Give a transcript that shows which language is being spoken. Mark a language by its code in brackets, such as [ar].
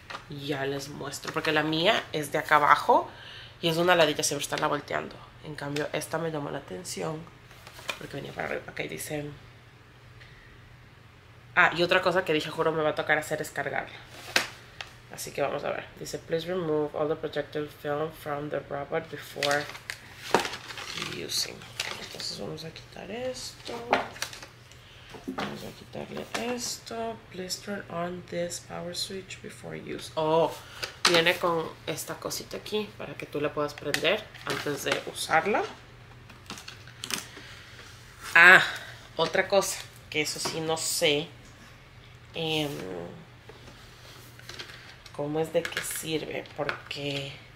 [es] Ya les muestro, porque la mía es de acá abajo y es una ladilla, siempre está la volteando. En cambio, esta me llamó la atención porque venía para arriba. Acá y dice. Ah, y otra cosa que dije, juro, me va a tocar hacer es cargarla. Así que vamos a ver. Dice: [en] Please remove all the protective film from the robot before using. [es] Entonces, vamos a quitar esto. Vamos a quitarle esto. [en] Please turn on this power switch before use. [es] Oh, viene con esta cosita aquí para que tú la puedas prender antes de usarla. Ah, otra cosa, que eso sí no sé. ¿Cómo es de qué sirve? Porque...